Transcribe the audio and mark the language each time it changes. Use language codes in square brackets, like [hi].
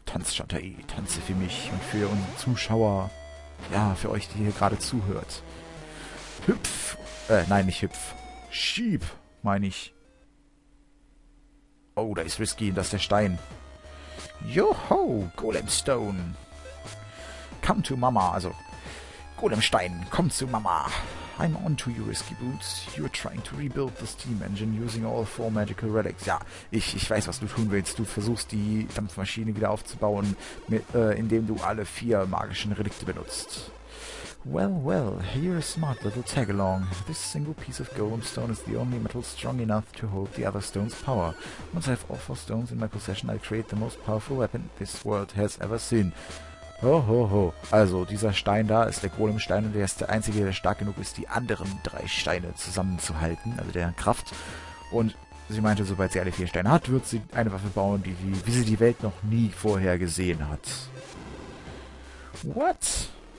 [de] Tanz, Shantae, tanze für mich und für unsere Zuschauer. Ja, für euch, die hier gerade zuhört. Hüpf. Nein, nicht hüpf. Schieb, meine ich. Oh, da ist Risky, das ist der Stein. Joho, Golemstone. [en] come to Mama, [de] also Golemstein, [en] come to Mama. I'm on to you, Risky Boots. You're trying to rebuild the steam engine using all four magical relics. [de] Ja, ich weiß, was du tun willst. Du versuchst, die Dampfmaschine wieder aufzubauen, indem du alle vier magischen Relikte benutzt. [en] Well, well, you're a smart little tag-along. This single piece of golem stone is the only metal strong enough to hold the other stone's power. Once I have all four stones in my possession, I'll create the most powerful weapon this world has ever seen. Ho, ho, ho. [de] Also, dieser Stein da ist der Golemstein und der ist der einzige, der stark genug ist, die anderen drei Steine zusammenzuhalten, also deren Kraft. Und sie meinte, sobald sie alle vier Steine hat, wird sie eine Waffe bauen, wie sie die Welt noch nie vorher gesehen hat. [en] What?